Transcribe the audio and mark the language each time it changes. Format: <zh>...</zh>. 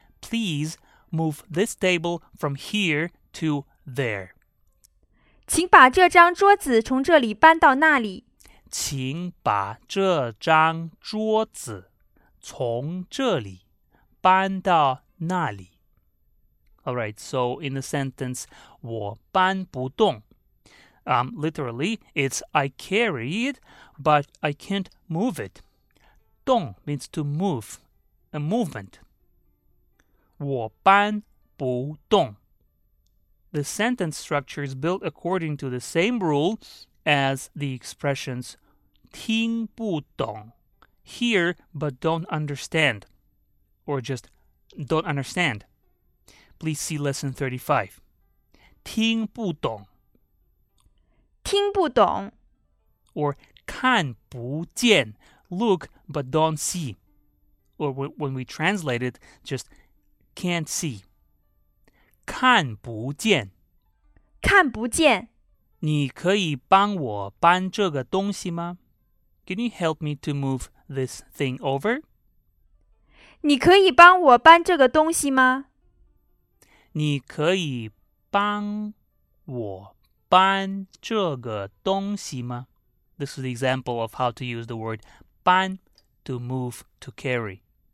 <en>Please move this table from here to there.</en> <zh>请把这张桌子从这里搬到那里。请把这张桌子从这里搬到那里。</zh> <en>Alright, so in the sentence,</en> <zh>我搬不动。</zh> <en>Literally, it's I carry it, but I can't move it. 动 means to move, a movement.</en> <zh>我搬不动.</zh> <en>The sentence structure is built according to the same rule as the expressions</en> <zh>听不懂,</zh> <en>hear but don't understand, or just don't understand. Please see lesson 35.</en> <zh>听不懂听不懂</zh> <en>or</en> <zh>看不见,</zh> <en>look but don't see. Or when we translate it, just can't see.</en> <zh>看不见。看不见。你可以帮我搬这个东西吗?</zh> <en>Can you help me to move this thing over?</en> <zh>你可以帮我搬这个东西吗? 你可以帮我搬这个东西吗?</zh> <en>This is the example of how to use the word 搬, to move, to carry.</en>